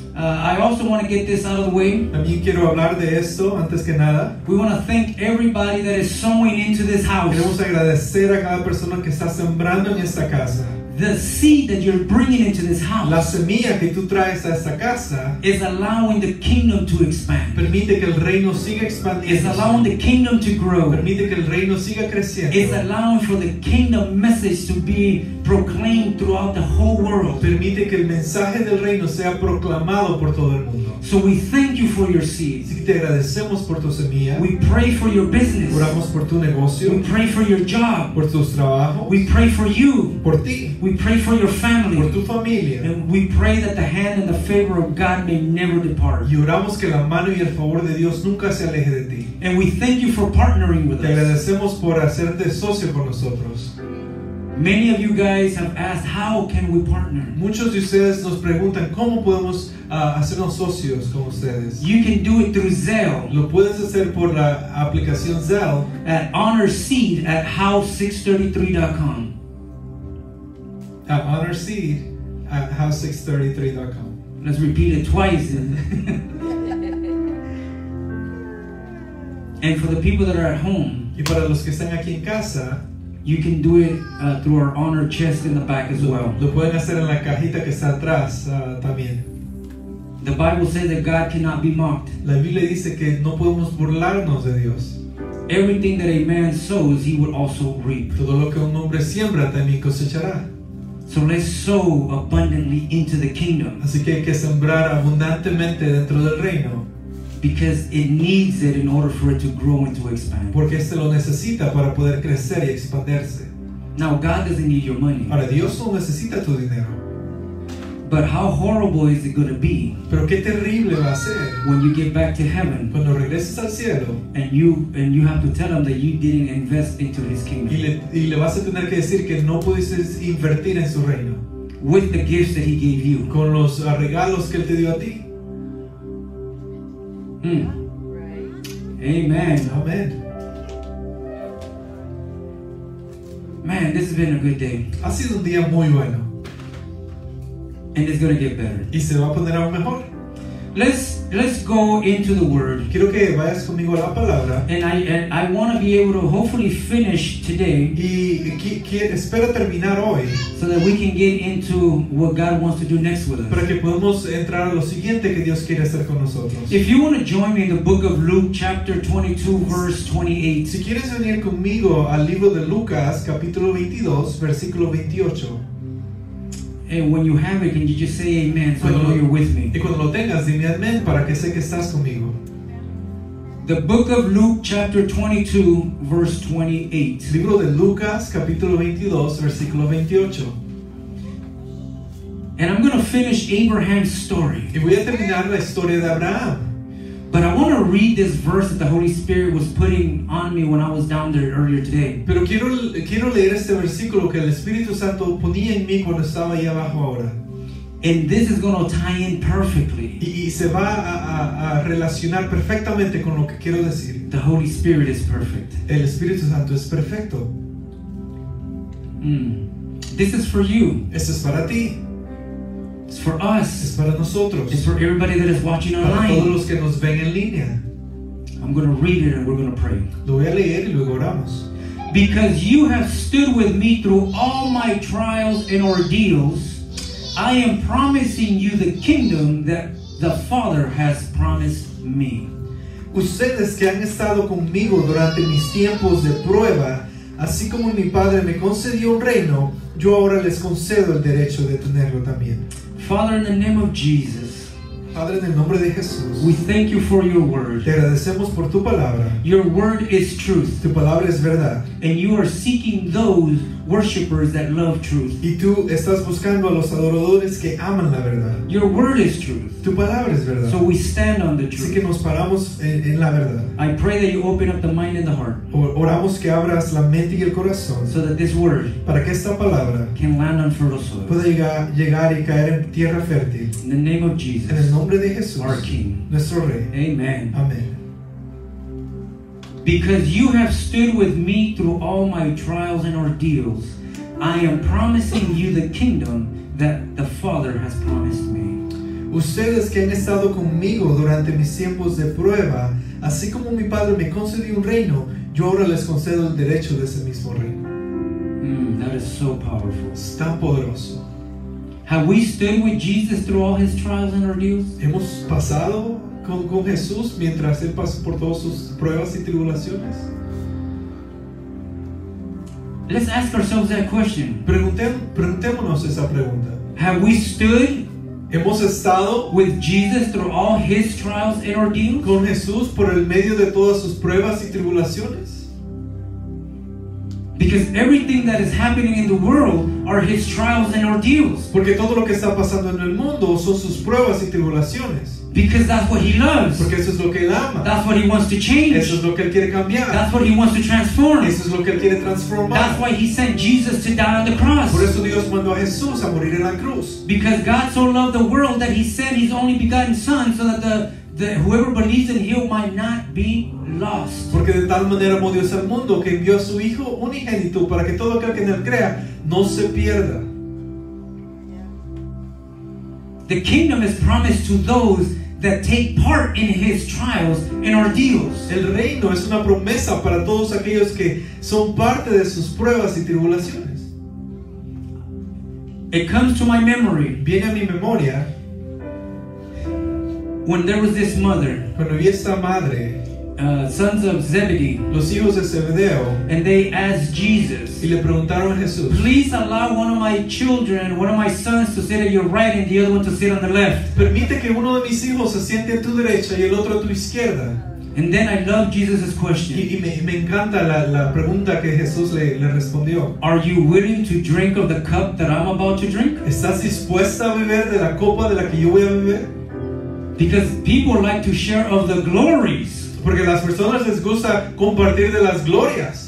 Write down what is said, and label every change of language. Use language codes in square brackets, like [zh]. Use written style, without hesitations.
[en] I also want to get this out of the way. [es] También quiero hablar de esto antes que nada. [en] We want to thank everybody that is sowing into this house. [es] Queremos agradecer a cada persona que está sembrando en esta casa. [en] The seed that you're bringing into this house, [es] la semilla que tú traes a esta casa, [en] is allowing the kingdom to expand. [es] Permite que el reino siga expandiendo. [en] It's allowing the kingdom to grow. [es] Permite que el reino siga creciendo. [en] It's allowing for the kingdom message to be proclaimed throughout the whole world. [es] Permite que el mensaje del reino sea proclamado por todo el mundo. [en] So we thank you for your seed. [es] Sí, te agradecemos por tu semilla. [en] We pray for your business. [es] Oramos por tu negocio. [en] We pray for your job. [es] Por tus trabajos. [en] We pray for you. [es] Por ti. [en] We pray for your family. [es] Por tu familia. [en] And we pray that the hand and the favor of God may never depart. [es] Y oramos que la mano y el favor de Dios nunca se aleje de ti. [en] And we thank you for partnering with us. [es] Te agradecemos por hacerte socio con nosotros. [en] Many of you guys have asked, how can we partner? [es] Muchos de ustedes nos preguntan, ¿cómo podemos hacernos socios con ustedes? [en] You can do it through Zelle. [es] Lo puedes hacer por la aplicación Zelle. [en] At honorseed@house633.com. At honorseed@house633.com. Let's repeat it twice. And for the people that are at home, [es] y para los que están aquí en casa, [en] you can do it through our honor chest in the back as well. [es] Lo pueden hacer en la cajita que está atrás también. [en] The Bible says that God cannot be mocked. [es] La Biblia dice que no podemos burlarnos de Dios. [en] Everything that a man sows, he will also reap. [es] Todo lo que un hombre siembra también cosechará. [en] So let's sow abundantly into the kingdom. [es] Así que hay que sembrar abundantemente dentro del reino. [en] Because it needs it in order for it to grow and to expand. [es] Porque este lo necesita para poder crecer y expandirse. [en] Now God doesn't need your money. [es] Ahora Dios no necesita tu dinero. [en] But how horrible is it going to be? [es] Pero qué terrible va a ser. [en] When you get back to heaven. [es] Cuando regreses al cielo. [en] And you have to tell him that you didn't invest into his kingdom. [es] Y le vas a tener que decir que no pudiste invertir en su reino. [en] With the gifts that he gave you. [es] Con los regalos que él te dio a ti. [en] Amen. [es] Amen. [en] Man, this has been a good day. [es] Ha sido un día muy bueno. [en] And it's going to get better. [es] Y se va a poner aún mejor. [en] Let's go into the word. [es] Quiero que vayas conmigo a la palabra. [en] And I want to be able to hopefully finish today. [es] Espero terminar hoy. [en] So that we can get into what God wants to do next with us. [es] Para que podamos entrar a lo siguiente que Dios quiere hacer con nosotros. [en] If you want to join me in the book of Luke chapter 22 verse 28. [es] Si quieres venir conmigo al libro de Lucas capítulo 22 versículo 28. [en] And when you have it, can you just say amen so [es] cuando [en] I know you're with me? [es] Y cuando lo tengas, dime amen para que sé que estás conmigo. [en] The book of Luke, chapter 22, verse 28. [es] Libro de Lucas, capítulo 22, versículo 28. [en] And I'm going to finish Abraham's story. [es] Y voy a terminar la historia de Abraham. [en] But I want to read this verse that the Holy Spirit was putting on me when I was down there earlier today. [es] Pero quiero leer este versículo que el Espíritu Santo ponía en mí cuando estaba ahí abajo ahora. [en] And this is going to tie in perfectly. [es] Y se va a relacionar perfectamente con lo que quiero decir. [en] The Holy Spirit is perfect. [es] El Espíritu Santo es perfecto. [en] This is for you. [es] Esto es para ti. [en] It's for us. [es] Es para nosotros. [en] It's for everybody that is watching [es] para [en] online. [es] Todos los que nos ven en línea. [en] I'm going to read it and we're going to pray. [es] Lo voy a leer y luego oramos. [en] Because you have stood with me through all my trials and ordeals, I am promising you the kingdom that the Father has promised me. [es] Ustedes que han estado conmigo durante mis tiempos de prueba, así como mi Padre me concedió un reino, yo ahora les concedo el derecho de tenerlo también. [en] Father, in the name of Jesus, [es] Padre, en el nombre de Jesús, [en] we thank you for your word. [es] Te agradecemos por tu palabra. [en] Your word is truth. [es] Tu palabra es verdad. [en] And you are seeking those worshipers that love truth. [es] Y tú estás buscando a los adoradores que aman la verdad. [en] Your word is truth. [es] Tu palabra es verdad. [en] So we stand on the truth. [es] Así que nos paramos en la verdad. [en] I pray that you open up the mind and the heart. [es] Oramos que abras la mente y el corazón. [en] So that this word, [es] para que esta palabra, [en] can land on fertile soil. [es] Pueda llegar y caer en tierra fértil. [en] In the name of Jesus. [es] En el nombre de Jesús. [en] Our King. [es] Nuestro Rey. [en] Amen. [es] Amen. [en] Because you have stood with me through all my trials and ordeals, I am promising you the kingdom that the Father has promised me. [es] Ustedes que han estado conmigo durante mis tiempos de prueba, así como mi Padre me concedió un reino, yo ahora les concedo el derecho de ese mismo reino. [en] That is so powerful. [es] Es tan poderoso. [en] Have we stood with Jesus through all his trials and ordeals? [es] Hemos pasado con Jesús mientras él pasó por todas sus pruebas y tribulaciones. [en] Let's ask ourselves that question. [es] Preguntémonos esa pregunta. [en] Have we stood? [es] Hemos estado [en] with Jesus through all his trials and ordeals? [es] Con Jesús por el medio de todas sus pruebas y tribulaciones. [en] Because everything that is happening in the world are his trials and ordeals. [es] Porque todo lo que está pasando en el mundo son sus pruebas y tribulaciones. [en] Because that's what he loves. [es] Porque eso es lo que él ama. [en] That's what he wants to change. [es] Eso es lo que él quiere cambiar. [en] That's what he wants to transform. [es] Eso es lo que él quiere transformar. [en] That's why he sent Jesus to die on the cross. [es] Por eso Dios mandó a Jesús a morir en la cruz. [en] Because God so loved the world that he sent his only begotten son so that that whoever believes in him might not be lost. [es] Porque de tal manera amó Dios al mundo que envió a su hijo unigénito para que todo aquel que en él crea no se pierda. [en] The kingdom is promised to those that take part in his trials and ordeals. [es] El reino es una promesa para todos aquellos que son parte de sus pruebas y tribulaciones. [en] It comes to my memory. [es] Viene a mi memoria. [en] When there was this mother, [es] cuando había esta madre, [en] sons of Zebedee, [es] los hijos de Zebedeo, [en] and they asked Jesus, [es] y le preguntaron a Jesús, [en] please allow one of my children, one of my sons, to sit at your right and the other one to sit on the left. [es] Permite que uno de mis hijos se siente a tu derecha y el otro a tu izquierda. [en] And then I love Jesus' question. [es] Y me encanta la pregunta que Jesús le respondió. [en] Are you willing to drink of the cup that I'm about to drink? [es] ¿Estás dispuesta a beber de la copa de la que yo voy a beber? [en] Because people like to share of the glories. [es] Porque las personas les gusta compartir de las glorias.